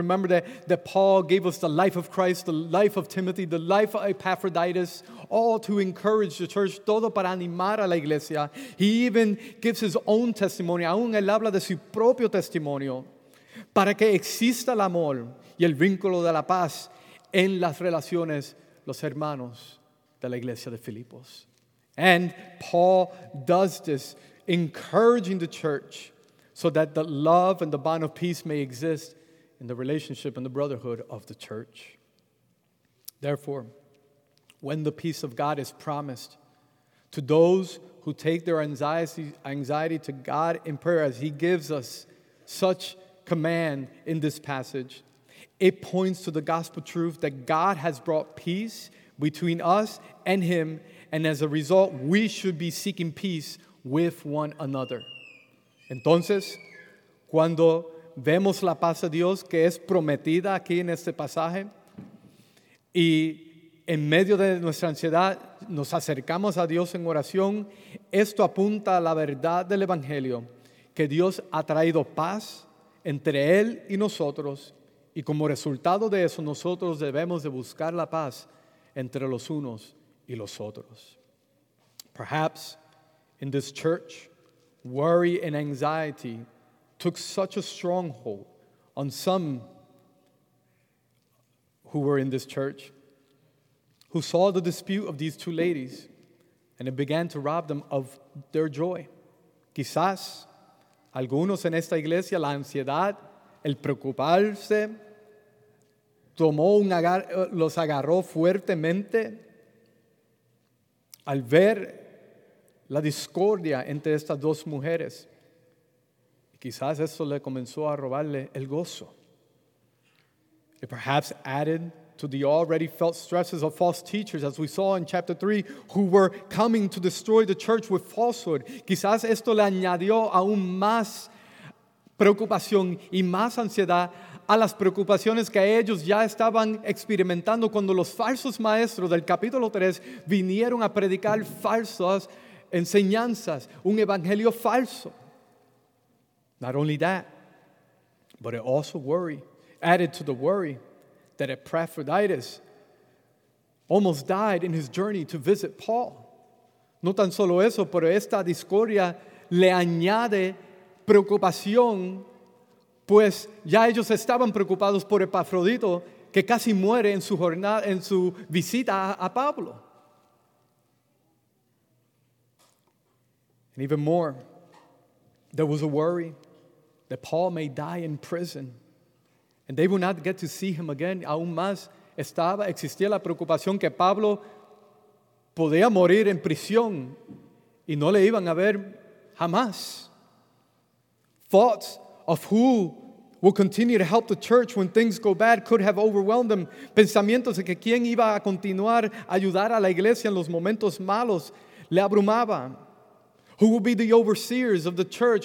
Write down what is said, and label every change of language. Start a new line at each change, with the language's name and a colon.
English: Remember that Paul gave us the life of Christ, the life of Timothy, the life of Epaphroditus, all to encourage the church,
Spanish: todo para animar a la iglesia.
English: He even gives his own testimony,
Spanish: aún él habla de su propio testimonio, para que exista el amor y el vínculo de la paz en las relaciones, los hermanos de la iglesia de Filipos.
English: And Paul does this, encouraging the church so that the love and the bond of peace may exist in the relationship and the brotherhood of the church. Therefore, when the peace of God is promised to those who take their anxiety to God in prayer, as he gives us such command in this passage, it points to the gospel truth that God has brought peace between us and him, and as a result, we should be seeking peace with one another.
Spanish: Entonces, cuando vemos la paz de Dios que es prometida aquí en este pasaje, y en medio de nuestra ansiedad nos acercamos a Dios en oración, esto apunta a la verdad del Evangelio, que Dios ha traído paz entre Él y nosotros, y como resultado de eso, nosotros debemos de buscar la paz entre los unos y los otros.
English: Perhaps in this church, worry and anxiety took such a stronghold on some who were in this church, who saw the dispute of these two ladies, and it began to rob them of their joy.
Spanish: Quizás algunos en esta iglesia, la ansiedad, el preocuparse, los agarró fuertemente al ver la discordia entre estas dos mujeres. Y quizás eso le comenzó a robarle el gozo.
English: It perhaps added to the already felt stresses of false teachers, as we saw in chapter 3, who were coming to destroy the church with falsehood.
Spanish: Quizás esto le añadió aún más preocupación y más ansiedad a las preocupaciones que ellos ya estaban experimentando cuando los falsos maestros del capítulo 3 vinieron a predicar falsas enseñanzas, un evangelio falso.
English: Not only that, but it also added to the worry that Epaphroditus almost died in his journey to visit Paul.
Spanish: No tan solo eso, pero esta discordia le añade preocupación, pues ya ellos estaban preocupados por Epafrodito, que casi muere en su jornada, en su visita a Pablo.
English: And even more, there was a worry that Paul may die in prison and they would not get to see him again.
Spanish: Aún más estaba, existía la preocupación que Pablo podía morir en prisión y no le iban a ver jamás.
English: Thoughts of who will continue to help the church when things go bad could have overwhelmed them.
Spanish: Pensamientos de que quién iba a continuar a ayudar a la iglesia en los momentos malos le abrumaba.
English: Who will be the overseers of the church?